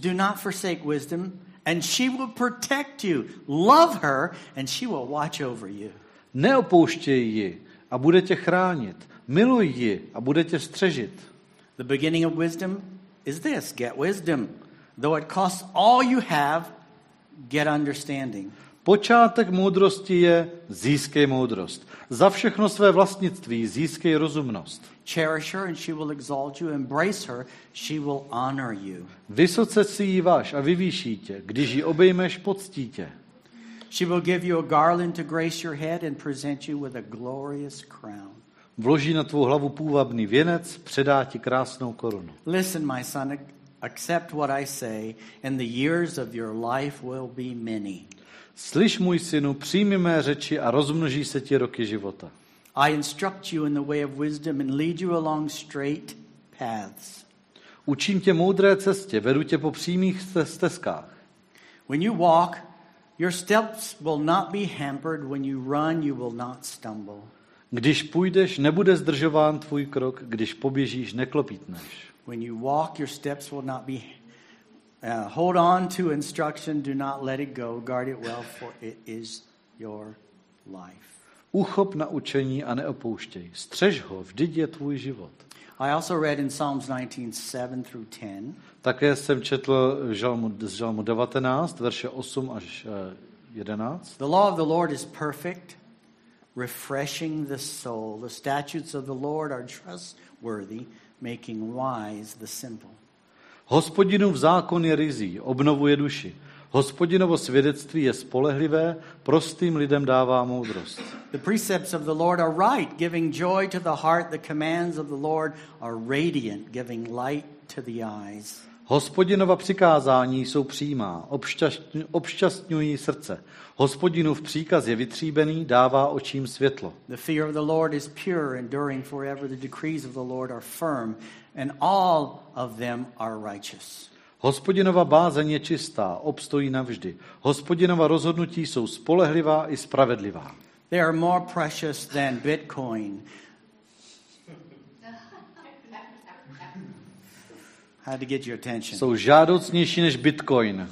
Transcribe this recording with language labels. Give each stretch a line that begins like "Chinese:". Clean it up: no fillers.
English: Do not forsake wisdom, and she will protect you. Love her, and she will watch over you.
Czech: Neopouštěj ji a bude tě chránit. Miluj ji a bude tě střežit.
English: The beginning of wisdom is this, get wisdom. Though it costs all you have, get understanding.
Czech: Počátek moudrosti je získej moudrost. Za všechno své vlastnictví získej rozumnost.
English: Cherish her and she will exalt you, embrace her, she will honor you.
Czech: Vysoce si ji váš a vyvýší tě, když ji obejmeš, poctí tě.
English: She will give you a garland to grace your head and present you with a glorious crown.
Czech: Vloží na tvou hlavu půvabný věnec, předá ti krásnou korunu.
English: Listen, my son, accept what I say, and the years of your life will be many.
Czech: Slyš, můj synu, přijmi mé řeči a rozmnoží se ti roky života.
English: I instruct you in the way of wisdom and lead you along straight paths.
Czech: Učím tě moudré cestě, vedu tě po přímých stezkách.
English: When you walk, your steps will not be hampered. When you run, you will not stumble.
Czech: Když půjdeš, nebude zdržován tvůj krok, když poběžíš, neklopítneš.
English: When you walk, your steps will not be hold on to instruction, do not let it go, guard it well, for it is your life.
Czech: Uchop na učení a neopouštěj. Střež ho, vždyť je tvůj život.
English: I also read in Psalms 19:7 through 10.
Czech: Také jsem četl z žalmu 19, verše 8 až 11.
English: The law of the Lord is perfect, refreshing the soul. The statutes of the Lord are trustworthy, making wise the simple.
Czech: Hospodinův zákon je ryzí, obnovuje duši. Hospodinovo svědectví je spolehlivé, prostým lidem dává moudrost.
English: The precepts of the Lord are right, giving joy to the heart. The commands of the Lord are radiant, giving light to the eyes.
Czech: Hospodinova přikázání jsou přímá, obšťastňují srdce. Hospodinův příkaz je vytříbený, dává očím světlo.
English: The fear of the Lord is pure, enduring forever. The decrees of the Lord are firm, and all of them are righteous.
Czech: Hospodinova bázeň je čistá, obstojí navždy. Hospodinova rozhodnutí jsou spolehlivá i spravedlivá.
English: They are more precious than Bitcoin. Had to get your attention.
Czech: Jsou žádoucnější než Bitcoin.